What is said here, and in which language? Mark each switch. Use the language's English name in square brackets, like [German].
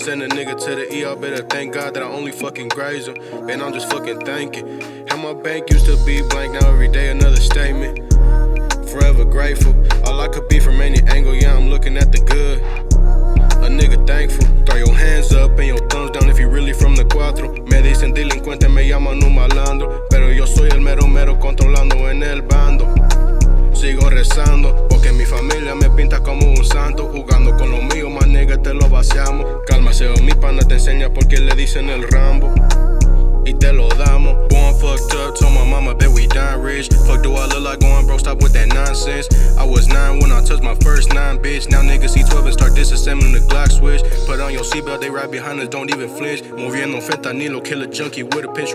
[English] Send a nigga to the ER, better thank God that I only fucking graze him. And I'm just fucking thanking. How my bank used to be blank, now every day another statement. Forever grateful, all I could be from any angle, yeah, I'm looking at the good. A nigga thankful, throw your hands up and your thumbs down if you really from the cuatro. [Spanish] Me dicen delincuente, me llaman un malandro, pero yo soy el mero mero controlando en el bando. Sigo rezando, porque mi familia me pinta como un santo. Jugando con lo mío, más nigga, te lo vaciamos. Cálmase, mi pana te enseña por qué le dicen el Rambo. Y te lo damos. [English] Born fucked up, told my mama that we dying rich. Fuck do I look like going broke, stop with that nonsense. I was 9 when I touched my first 9, bitch. Now niggas see 12 and start disassembling the Glock switch. Put on your seatbelt, they right behind us, don't even flinch. [Spanish] Moviendo fentanilo, [English] kill a junkie with a pinch.